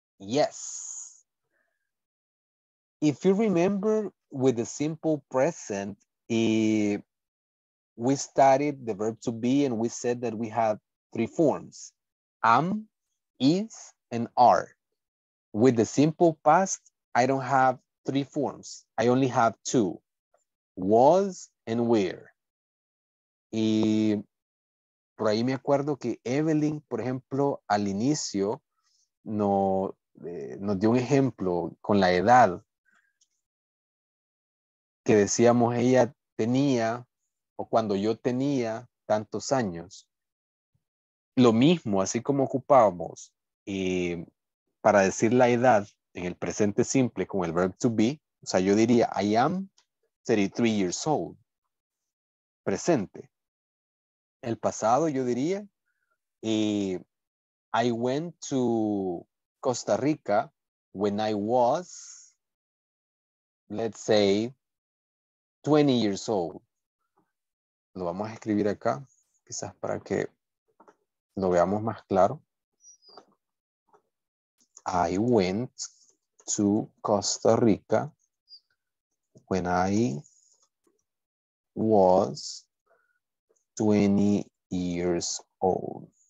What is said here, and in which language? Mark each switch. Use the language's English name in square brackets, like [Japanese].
[English] Yes. If you remember with the simple present, we studied the verb to be and we said that we have 3 forms, am, is, and are. With the simple past, I don't have 3 forms. I only have 2, was and were. [Spanish] Y por ahí me acuerdo que Evelyn, por ejemplo, al inicio nos dio un ejemplo con la edad, que decíamos ella tenía, o cuando yo tenía tantos años. Lo mismo, así como ocupábamos para decir la edad en el presente simple con el verb to be, o sea, yo diría, [English] I am 33 years old, [Spanish] presente. El pasado, yo diría, [English] I went to Costa Rica when I was, let's say, 20 years old. [Spanish] Lo vamos a escribir acá, quizás para que lo veamos más claro. [English] I went to Costa Rica when I was 20 years old.